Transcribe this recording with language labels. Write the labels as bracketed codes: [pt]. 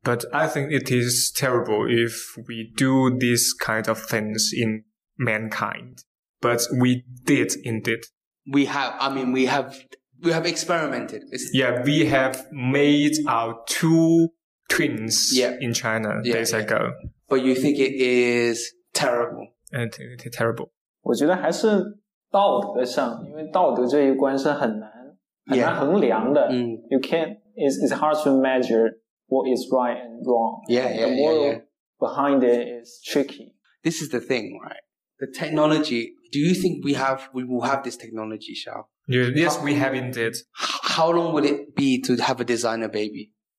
[en] But I think it is terrible if we do these kind of things in mankind. But we did indeed. We have experimented. We have made our two twins in China days ago. But you think it is terrible? It is terrible. [zh] 我觉得还是道德上，因为道德这一关是很难衡量的。 [en] Yeah. You can't, it's hard to measure what is right and wrong. Yeah, the moral yeah. behind it is tricky. This is the thing, right? The technology, do you think we will have this technology, Xiao? Yes, we have indeed. How long will it be to have a designer baby?